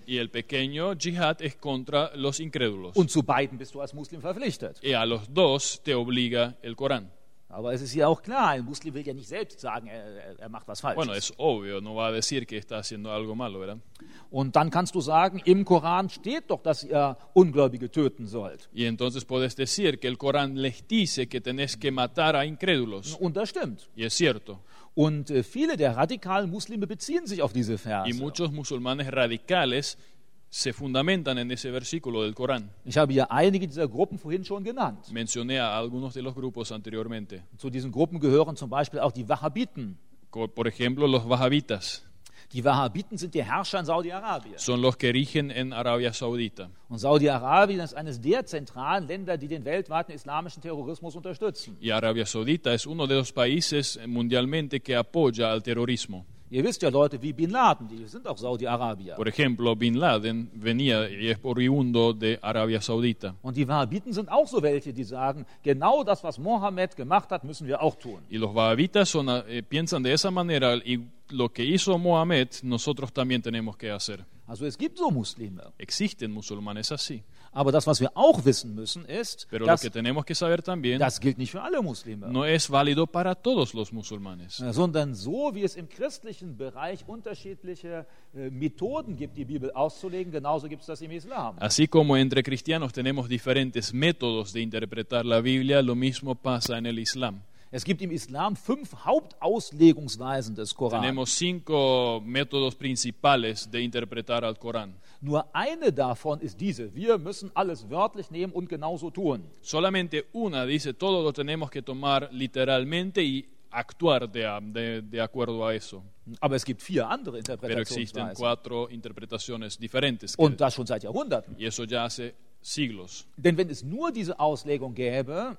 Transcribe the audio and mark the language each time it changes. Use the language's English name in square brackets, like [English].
[Spanish] Y el pequeño Dschihad es contra los incrédulos. [German] Und zu beiden bist du als Muslim verpflichtet. [Spanish] Y a los dos te obliga el Corán. [German] Aber es ist ja auch klar, ein Muslim will ja nicht selbst sagen, er macht was falsch. [Spanish] Bueno, es obvio, no va a decir que está haciendo algo malo, ¿verdad? [German] Und dann kannst du sagen, im Koran steht doch, dass ihr Ungläubige töten sollt. [Spanish] Y entonces puedes decir que el Corán les dice que tenés que matar a incrédulos. [German] Und das stimmt. [Spanish] Y es cierto. [German] Und viele der radikalen Muslime beziehen sich auf diese Verse. [Spanish] Y muchos musulmanes radicales se fundamentan en ese versículo del Corán. [German] Ich habe hier einige dieser Gruppen vorhin schon genannt. [Spanish] Mencioné a algunos de los grupos anteriormente. [German] Zu diesen Gruppen gehören zum Beispiel auch die Wahhabiten. [Spanish] Por ejemplo, los Wahhabitas. [German] Die Wahhabiten sind die Herrscher in Saudi-Arabien. [Spanish] Son los que rigen en Arabia Saudita. [German] Und Saudi-Arabien ist eines der zentralen Länder, die den weltweiten islamischen Terrorismus unterstützen. [Spanish] Y Arabia Saudita es uno de los países mundialmente que apoya al terrorismo. [German] Ihr wisst ja, Leute wie Bin Laden, die sind auch Saudi-Arabier. [Spanish] Por ejemplo, Bin Laden venía y es oriundo de Arabia Saudita. [German] Und die Wahhabiten sind auch so welche, die sagen, genau das, was Mohammed gemacht hat, müssen wir auch tun. [Spanish] Y los Wahhabitas son, piensan de esa manera, y lo que hizo Mohammed, nosotros también tenemos que hacer. [German] Also es gibt so Muslime. [Spanish] Existen musulmanes así. [German] Aber das, was wir auch wissen müssen, ist, [Spanish] pero dass, lo que tenemos que saber también, [German] das gilt nicht für alle Muslime. [Spanish] No es válido para todos los musulmanes. [German] Sondern so, wie es im christlichen Bereich unterschiedliche Methoden gibt, die Bibel auszulegen, genauso gibt es das im Islam. [Spanish] Así como entre cristianos tenemos diferentes métodos de interpretar la Biblia, lo mismo pasa en el Islam. [German] Es gibt im Islam 5 Hauptauslegungsweisen des Koran. [Spanish] Tenemos 5 métodos principales de interpretar al Corán. [German] Nur eine davon ist diese: wir müssen alles wörtlich nehmen und genauso tun. [Spanish] Solamente una dice: todo lo tenemos que tomar literalmente y actuar de acuerdo a eso. [German] Aber es gibt 4 andere Interpretationsweisen. [Spanish] Pero existen 4 interpretaciones diferentes. [German] Und das schon seit Jahrhunderten. [Spanish] Y eso ya hace siglos. [German] Denn wenn es nur diese Auslegung gäbe,